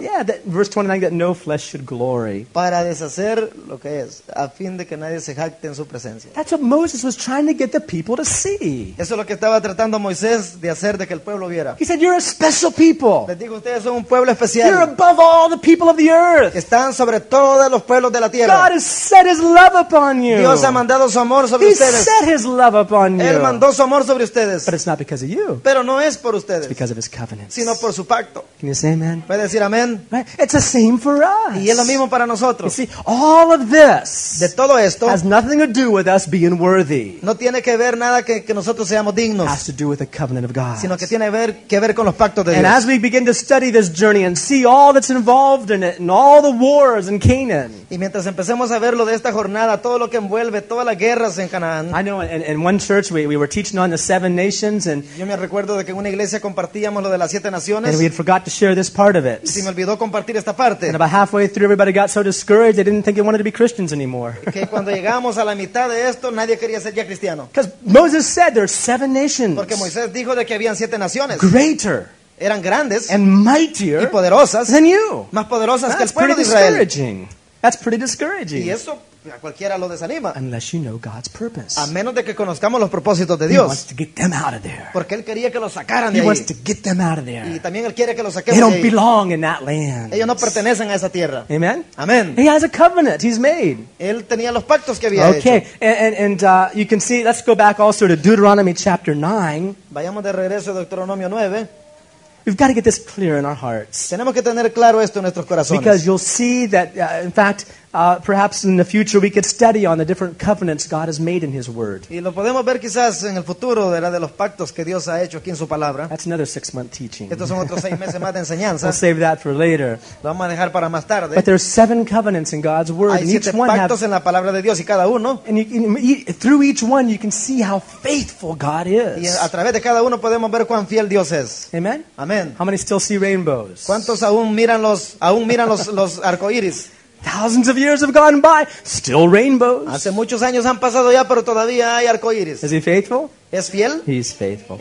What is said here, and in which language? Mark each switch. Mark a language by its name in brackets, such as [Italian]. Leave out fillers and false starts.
[English] Yeah, that, verse 29, that no flesh should glory. [Spanish] Para deshacer lo que es, a fin de que nadie se jacte en su presencia. [English] That's what Moses was trying to get the people to see. [Spanish] Eso es lo que estaba tratando Moisés de hacer de que el pueblo viera. [English] He said, you're a special people. [Spanish] Les digo, ustedes son un pueblo especial. [English] You're above all the people of the earth. [Spanish] Están sobre todos los pueblos de la tierra. [English] God has set his love upon you. [Spanish] Dios ha mandado su amor sobre ustedes. [English] He set his love upon you. [Spanish] Él mandó su amor sobre ustedes. [English] But it's not because of you. [Spanish] Pero no es por ustedes. [English] It's because of his covenant. [Spanish] Sino por su pacto. [English] Can you say amen? [Spanish] ¿Puede decir amen? [English] Right? It's the same for us. [Spanish] Y es lo mismo para nosotros. [English] You see, all of this [Spanish] de todo esto [English] has nothing to do with us being worthy. [Spanish] No tiene que ver nada que nosotros seamos dignos. [English] It has to do with the covenant of God. [Spanish] Sino que tiene que ver con los pactos de [English] and [Spanish] Dios. [English] As we begin to study this journey and see all that's involved in it and all the wars in Canaan. [Spanish] Y mientras empecemos a ver lo de esta jornada, todo lo que envuelve, todas las guerras en Canaán. [English] I know in one church we were teaching on the seven nations. And [Spanish] yo me recuerdo de que en una iglesia compartíamos lo de las siete naciones. [English] And we had forgotten to share this part of it. [Spanish] Se me olvidó compartir esta parte. [English] And about halfway through, everybody got so discouraged they didn't think they wanted to be Christians anymore. [Spanish] Que cuando llegamos a la mitad de esto, nadie quería ser ya cristiano. [English] Because Moses said there are seven nations. [Spanish] Porque Moisés dijo de que habían siete naciones. [English] Greater. [Spanish] Eran grandes. [English] And mightier. [Spanish] Y poderosas. [English] Than you. [Spanish] Más poderosas que el pueblo de Israel. [English] That's pretty discouraging. That's pretty discouraging. [Spanish] Y eso a cualquiera lo desanima. [English] Unless you know God's purpose. [Spanish] A menos de que conozcamos los propósitos de Dios. [English] He wants to get them out of there. [Spanish] Porque él quería que los sacaran [English] he [Spanish] de ahí. [English] He wants to get them out of there. [Spanish] Y también él quiere que los saquemos [English] they don't [Spanish] de [English] belong [Spanish] ahí. [English] In that land. [Spanish] Ellos no pertenecen a esa tierra. [English] Amen. [Spanish] Amen. [English] He has a covenant he's made. [Spanish] Él tenía los pactos que había [English] okay. [Spanish] hecho. [English] Okay. And you can see let's go back also to Deuteronomy chapter 9. [Spanish] Vayamos de regreso a Deuteronomio 9. [English] We've got to get this clear in our hearts. [Spanish] Tenemos que tener claro esto en nuestros corazones. [English] Because you'll see that in fact perhaps in the future we could study on the different covenants God has made in His Word. [Spanish] Y lo podemos ver quizás en el futuro de los pactos que Dios ha hecho aquí en su palabra. [English] That's another six-month teaching. [Spanish] Estos son otros seis meses más de enseñanza. [English] We'll save that for later. [Spanish] Lo vamos a dejar para más tarde. [English] But there are seven covenants in God's Word, [Spanish] hay [English] and each one [Spanish] pactos [English] have, [Spanish] en la palabra de Dios y cada uno. [English] And through each one you can see how faithful God is. [Spanish] Y a través de cada uno podemos ver cuán fiel Dios es. [English] Amen. [Spanish] Amen. [English] How many still see rainbows? [Spanish] ¿Cuántos aún miran los arcoíris? [English] Thousands of years have gone by, still rainbows. [Spanish] Hace muchos años han pasado ya, pero todavía hay arcoíris. [English] Is he faithful? [Spanish] ¿Es fiel? [English] He's faithful.